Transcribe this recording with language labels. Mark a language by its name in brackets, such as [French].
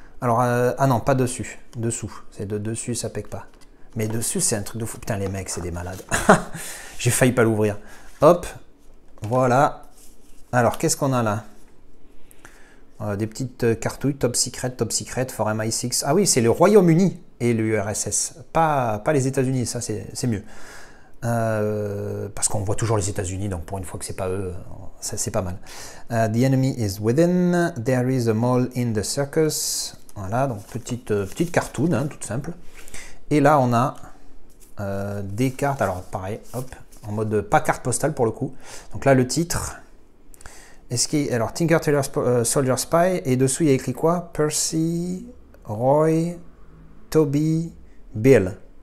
[French] Alors, ah non, pas dessus, dessous, c'est de dessus, ça pègue pas, mais dessus, c'est un truc de fou, putain, les mecs, c'est des malades, j'ai failli pas l'ouvrir, hop, voilà, alors, qu'est-ce qu'on a là? Des petites cartouilles, top secret, for MI6. Ah oui, c'est le Royaume-Uni et l'URSS. Pas les États-Unis, ça c'est mieux. Parce qu'on voit toujours les États-Unis, donc pour une fois que c'est pas eux, ça, c'est pas mal. [English] The enemy is within, there is a mole in the circus. [French] Voilà, donc petite cartoon, hein, toute simple. Et là, on a des cartes, alors pareil, hop, en mode pas carte postale pour le coup. Donc là, le titre. Est-ce qu'il y a, alors, Tinker Tailor Soldier Spy, et dessous, il y a écrit quoi? Percy, Roy, Toby, Bill.